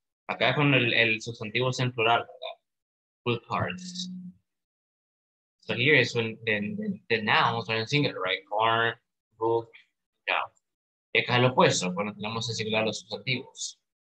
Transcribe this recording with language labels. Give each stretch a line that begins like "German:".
Spanish: Acá con el sustantivo es en plural, ¿verdad?
English: Good cards. So here is when the nouns are in singular, right? Car, book, job.
Spanish: Y acá es lo opuesto, cuando tenemos en singular los sustantivos.